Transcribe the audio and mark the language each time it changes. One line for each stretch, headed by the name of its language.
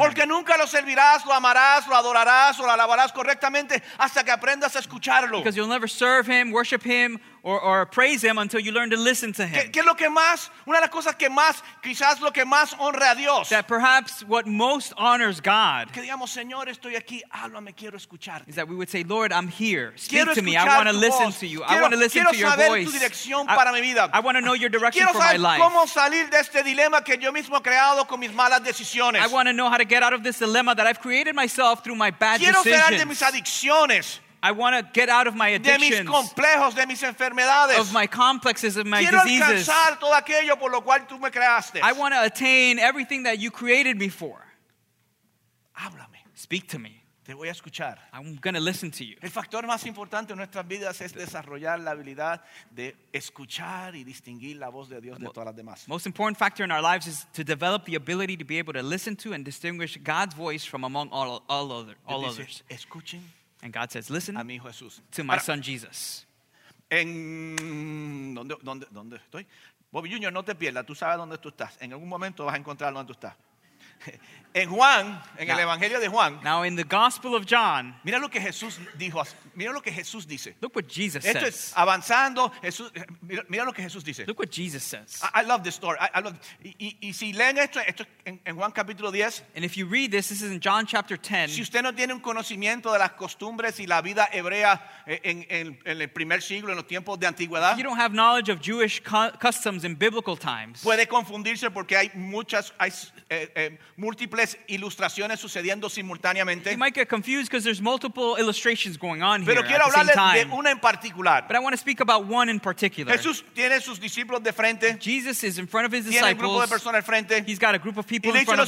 Spanish: Porque nunca lo servirás, lo amarás, lo adorarás o lo alabarás correctamente hasta que aprendas a escucharlo.
English: Because you'll never serve him, worship him, or praise him until you learn to listen to him.
Spanish: ¿Qué es lo que más, una de las cosas que más, quizás lo que más honra a Dios?
English: That perhaps what most honors God.
Spanish: Que digamos, Señor, estoy aquí, háblame, quiero escucharte.
English: Is that we would say, Lord, I'm here. Speak
Spanish: quiero
English: to me. I want to listen to you.
Spanish: Quiero,
English: I want to listen to your
Spanish: saber
English: voice.
Spanish: Tu dirección para mi vida.
English: I want to know your direction
Spanish: quiero
English: for my life.
Spanish: Cómo salir de este dilema que yo mismo he creado con mis malas decisiones.
English: I want to know how to get out of this dilemma that I've created myself through my bad
Spanish: quiero
English: decisions.
Spanish: Quiero salir de mis adicciones.
English: I want to get out of my addictions,
Spanish: de mis complejos, de mis enfermedades.
English: Of my complexes, of my
Spanish: quiero
English: diseases.
Spanish: Alcanzar todo aquello por lo cual tú me creaste.
English: I want to attain everything that you created me for.
Spanish: Háblame.
English: Speak to me.
Spanish: Te voy a escuchar.
English: I'm going to listen to you.
Spanish: El factor más importante en nuestras vidas es desarrollar la habilidad de escuchar y distinguir la voz de Dios de todas las demás.
English: Most important factor in our lives is to develop the ability to be able to listen to and distinguish God's voice from among all others.
Spanish: Escuchen.
English: And God says, listen
Spanish: a mi hijo Jesús.
English: To my son Jesus.
Spanish: En ¿dónde estoy? Bobby Jr., no te pierdas, tú sabes dónde tú estás. En algún momento vas a encontrar dónde tú estás. En Juan, en now, el Evangelio de Juan.
English: Now in the Gospel of John.
Spanish: Mira lo que Jesús dijo, mira lo que Jesús dice.
English: Look what Jesus
Spanish: esto
English: says.
Spanish: Esto es avanzando, Jesús, mira lo que Jesús dice.
English: Look what Jesus says. I love this story. I love
Spanish: y si leen esto en Juan capítulo 10.
English: And if you read this, this is in John chapter 10.
Spanish: Si usted no tiene un conocimiento de las costumbres y la vida hebrea en el primer siglo, en los tiempos de antigüedad.
English: If you don't have knowledge of Jewish customs in biblical times.
Spanish: Puede confundirse porque hay múltiples ilustraciones sucediendo simultáneamente.
English: You might get confused because there's multiple illustrations going on here.
Spanish: Pero quiero hablarle de una en particular.
English: But I want to speak about one in particular.
Spanish: Jesús tiene sus discípulos de frente.
English: Jesus is in front of his
Spanish: tiene
English: disciples.
Spanish: Tiene un grupo de personas al frente.
English: He's got a group of people in front of